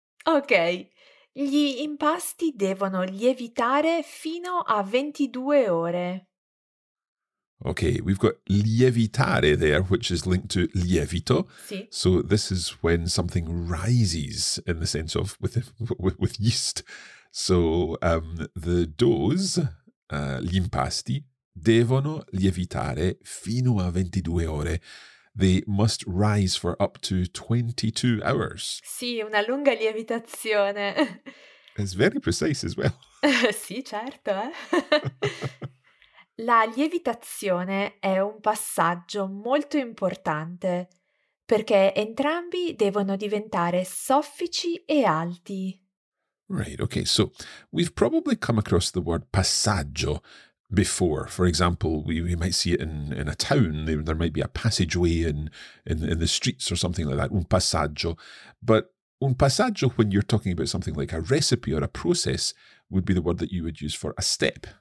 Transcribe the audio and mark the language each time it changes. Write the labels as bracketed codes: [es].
[it] Ok, gli impasti devono lievitare fino a 22 ore. [en] Okay, we've got lievitare there, which is linked to lievito. [it] Sì. [en] So this is when something rises in the sense of with yeast. So the doughs, [it] gli impasti, devono lievitare fino a 22 ore. [en] They must rise for up to 22 hours. [it] Sì, una lunga lievitazione. [en] It's very precise as well. [it] Sì, certo, eh? La lievitazione è un passaggio molto importante, perché entrambi devono diventare soffici e alti. [en] Right, okay, so we've probably come across the word passaggio before. For example, we might see it in a town. There might be a passageway in the streets or something like that, un passaggio. But un passaggio, when you're talking about something like a recipe or a process, would be the word that you would use for a step.